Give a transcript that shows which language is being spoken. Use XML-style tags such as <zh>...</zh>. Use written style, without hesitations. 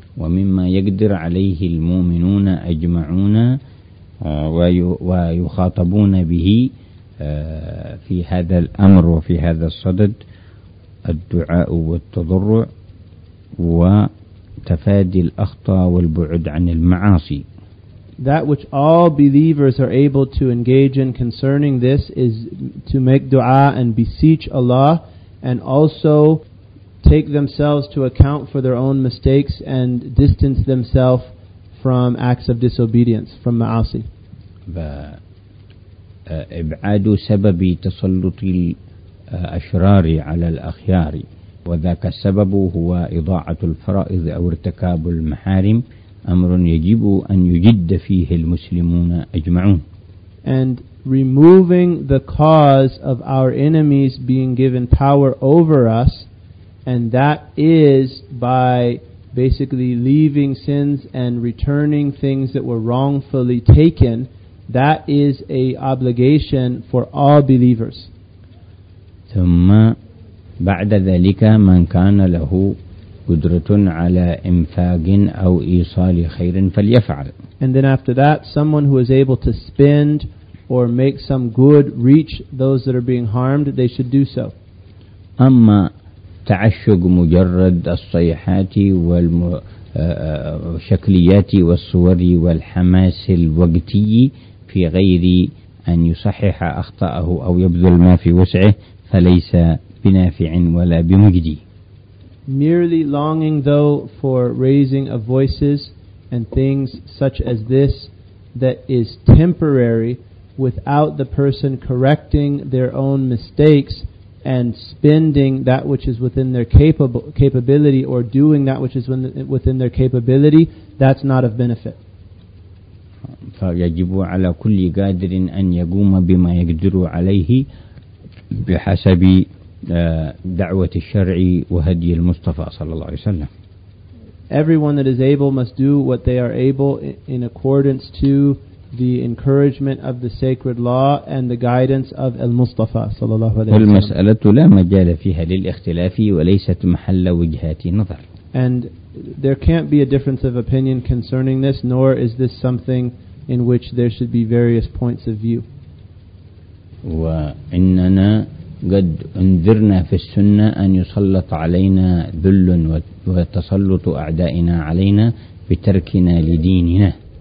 <ar>ومما يقدر عليه المؤمنون أجمعون ويخاطبون به في هذا الأمر وفي هذا الصدد الدعاء والتضرع وتفادي الأخطاء والبعد عن المعاصي.</ar> <en>That which all believers are able to engage in concerning this is to make dua and beseech Allah and also take themselves to account for their own mistakes and distance themselves from acts of disobedience, from ma'asi.</en> <ar>إبعاد سبب تسلط الأشرار على الأخيار وذاك السبب هو إضاعة الفرائض أو ارتكاب المحارم أمر يجب أن يجد فيه المسلمون أجمعون.</ar> <en>And removing the cause of our enemies being given power over us, and that is by basically leaving sins and returning things that were wrongfully taken, that is a obligation for all believers.</en> <ar>ثم بعد ذلك من كان له قدرة على إنفاق أو إيصال خير فليفعل.</ar> <en>And then after that, someone who is able to spend or make some good reach those that are being harmed, they should do so.</en> <ar>أما تعشق مجرد الصيحات والشكليات والصور والحماس الوقتي في غير أن يصحح أخطاءه أو يبذل ما في وسعه فليس بنافع ولا بمجدي.</ar> <en>Merely longing though for raising of voices and things such as this that is temporary without the person correcting their own mistakes and spending that which is within their capability or doing that which is within their capability, that's not of benefit.</en> <ar>فيجب على كل قادر أن يقوم بما يقدر عليه بحسب دعوة الشرع وهدي المصطفى صلى الله عليه وسلم.</ar> <en>Everyone that is able must do what they are able in accordance to the encouragement of the sacred law and the guidance of</en> <ar>المصطفى صلى الله عليه وسلم. والمسألة لا مجال فيها للاختلاف وليست محل وجهات نظر.</ar> <en>And there can't be a difference of opinion concerning this, nor is this something in which there should be various points of view.</en> <ar>وإننا قد أنذرنا في السنة أن يسلط علينا ذل وتسلط أعدائنا علينا بتركنا لديننا.</ar>